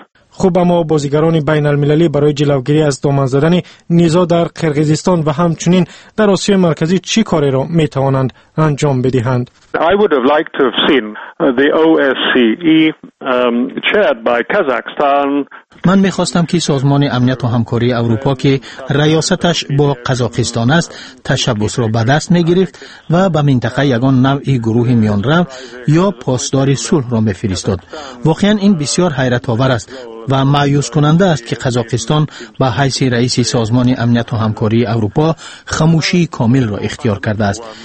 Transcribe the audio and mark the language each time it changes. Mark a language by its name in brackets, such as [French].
[Persian] خوب، اما بازیگران بین المللی برای جلوگیری از دامن زدن نزاع در قرقیزستان و همچنین در آسیای مرکزی چی کاری را می توانند انجام بدهند؟ [English] I would have liked to have seen the OSCE chaired by Kazakhstan. [Persian] من می‌خواستم که سازمان امنیت و همکاری اروپا که ریاستش با قزاقستان است تشبث را به دست می‌گرفت و به منطقه یگان نوعی گروه میان‌رو یا پاسدار صلح را می‌فرستاد. واقعاً این بسیار حیرت‌آور است و مایوس کننده است که قزاقستان به حیث رئیس سازمان امنیت و همکاری اروپا خاموشی کامل را اختیار کرده است.